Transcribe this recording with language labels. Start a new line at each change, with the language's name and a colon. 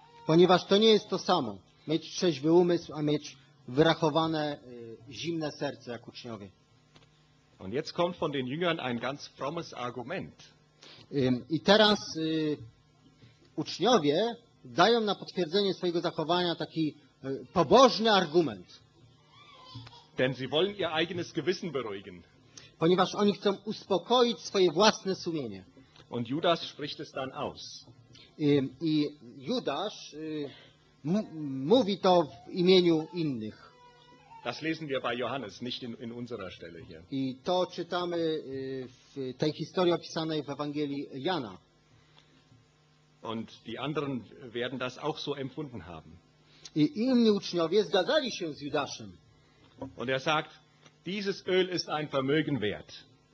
Polish: Ponieważ to nie jest to samo. Mieć trzeźwy umysł, a mieć wyrachowane, zimne serce, jak uczniowie.
German: Und jetzt kommt von den Jüngern ein ganz frommes Argument.
Polish: I teraz uczniowie dają na potwierdzenie swojego zachowania taki pobożny argument.
German: Denn sie wollen ihr eigenes Gewissen beruhigen.
Polish: Ponieważ oni chcą uspokoić swoje własne sumienie.
German: Und Judas spricht es dann aus.
Polish: I Judasz mówi to w imieniu innych.
German: Das lesen wir bei Johannes, nicht in unserer Stelle hier.
Polish: I to czytamy w tej historii opisanej w Ewangelii Jana.
German: Und die anderen werden das auch so empfunden haben.
Polish: I inni uczniowie zgadzali się z Judaszem.
German: Und er sagt, dieses Öl ist ein Vermögen wert.